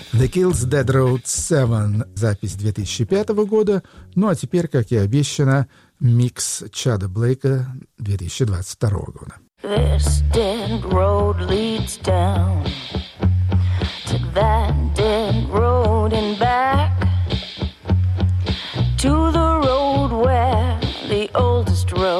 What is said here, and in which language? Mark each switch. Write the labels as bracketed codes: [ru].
[ru] Kills Dead Road 7, запись 2005 года. Ну, а теперь, как и обещано, микс Чада Блейка 2022 года. [en] This dead road leads down to that dead road and back to the road where the oldest